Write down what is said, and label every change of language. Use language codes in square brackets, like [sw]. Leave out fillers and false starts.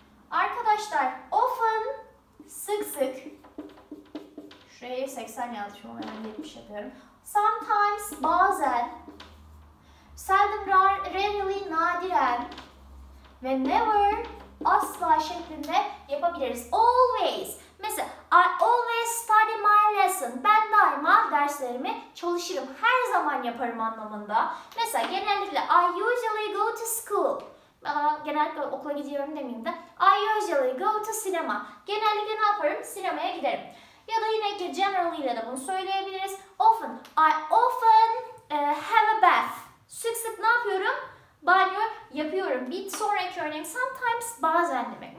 [tr] Arkadaşlar, often, sık sık. Şuraya 80 yazmışım, hemen 70 yapıyorum. [en] Sometimes, bazen. Seldom, rarely, nadiren. [tr] Ve never, asla şeklinde yapabiliriz. [en] Always. Mesela, I always study my lesson. [tr] Ben daima derslerimi çalışırım. Her zaman yaparım anlamında. Mesela genellikle, [en] I usually go to school. [tr] Genellikle okula gidiyorum demeyeyim de. [en] I usually go to cinema. [tr] Genellikle ne yaparım? Sinemaya giderim. Ya da yine ki generally ile de bunu söyleyebiliriz. [en] Often. I often have a bath. [tr] Sık sık ne yapıyorum? Banyo yapıyorum. Bir sonraki örneğim sometimes bazen demek.